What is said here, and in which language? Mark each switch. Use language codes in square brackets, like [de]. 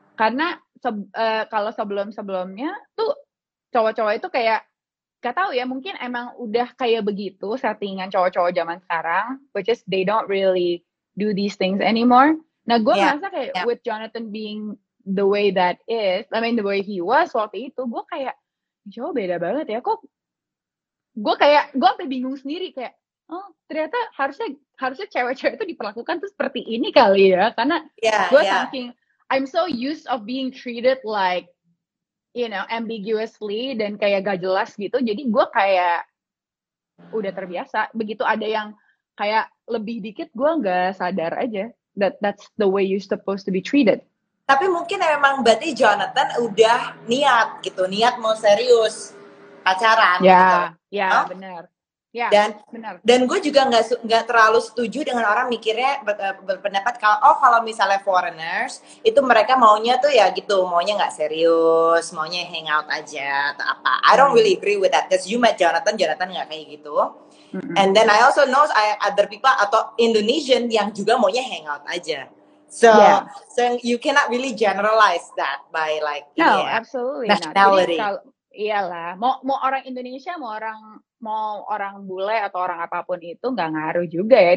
[id] Karena kalau sebelum-sebelumnya tuh cowok-cowok itu kayak, gak tahu ya, mungkin emang udah kayak begitu settingan cowok-cowok zaman sekarang. [en] Which is they don't really do these things anymore. [id] Nah gue merasa kayak [en] with Jonathan being the way that is, I mean the way he was [id] waktu itu, gue kayak, jauh beda banget ya kok. Gue kayak, gue sampai bingung sendiri kayak, oh ternyata harusnya cewek-cewek itu diperlakukan tuh seperti ini kali ya, karena gue [en] thinking I'm so used of being treated like, you know, ambiguously [id] dan kayak gak jelas gitu. Jadi gue kayak udah terbiasa. Begitu ada yang kayak lebih dikit, gue nggak sadar aja [en] that's the way you're supposed to be treated. [id] Tapi mungkin emang berarti Jonathan udah niat gitu, niat mau serius pacaran. Ya, gitu. Ya, huh? Benar. Ya, dan benar. Dan gue juga nggak terlalu setuju dengan orang mikirnya berpendapat kalau kalau misalnya foreigners itu mereka maunya tuh ya gitu, maunya nggak serius, maunya hangout aja atau apa. [en] I don't really agree with that. Because you met Jonathan, [id] Jonathan nggak kayak gitu. [en] Mm-hmm. And then I also know other people [id] atau Indonesian yang juga maunya hangout aja. [en] So you cannot really generalize that by like absolutely nationality. [id] Iyalah, mau orang Indonesia, mau orang bule atau orang apapun itu nggak ngaruh juga ya.